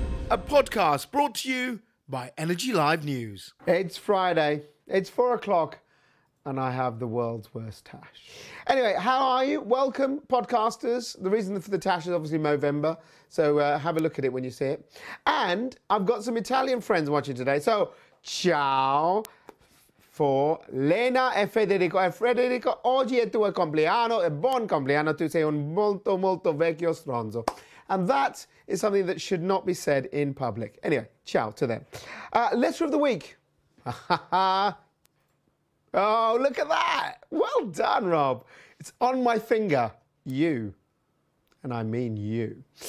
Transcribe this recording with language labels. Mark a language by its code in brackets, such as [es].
[en] A podcast brought to you by Energy Live News. It's Friday. It's 4 o'clock. And I have the world's worst tash. Anyway, how are you? Welcome, podcasters. The reason for the tash is obviously Movember. So have a look at it when you see it. And I've got some Italian friends watching today. [it] So ciao for Lena e Federico. E Federico, oggi è tuo compleanno. E buon compleanno. Tu sei un molto, molto vecchio stronzo. [en] And that is something that should not be said in public. Anyway, ciao to them. Letter of the week. Oh, look at that. Well done, Rob. It's on my finger. You. And I mean you.